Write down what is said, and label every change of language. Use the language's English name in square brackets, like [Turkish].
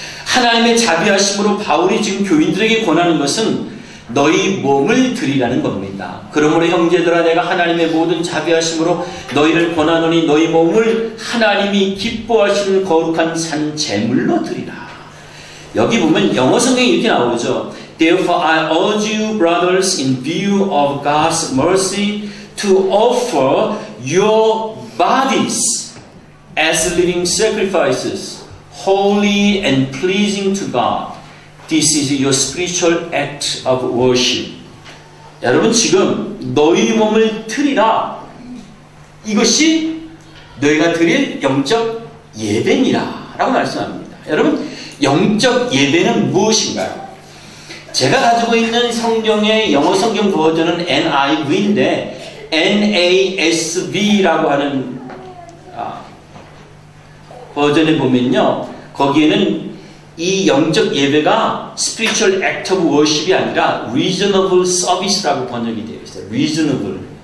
[Korean] 하나님의 자비하심으로 바울이 지금 교인들에게 권하는 것은 너희 몸을 드리라는 겁니다. 그러므로 형제들아, 내가 하나님의 모든 자비하심으로 너희를 권하노니 너희 몸을 하나님이 기뻐하시는 거룩한 산 제물로 드리라. 여기 보면 영어 성경이 이렇게 나오죠. [English] Therefore I urge you brothers in view of God's mercy to offer your bodies as living sacrifices holy and pleasing to God. This is your spiritual act of worship. [Korean] 여러분 지금 너희 몸을 드리라. 이것이 너희가 드릴 영적 예배니라 라고 말씀합니다. 여러분 영적 예배는 무엇인가요? 제가 가지고 있는 성경의 영어 성경 버전은 NIV인데 NASV라고 하는 버전에 보면요, 거기에는 이 영적 예배가 [English] spiritual act of worship [Korean] 이 아니라 [English] reasonable service [Korean] 라고 번역이 되어 있어요. reasonable.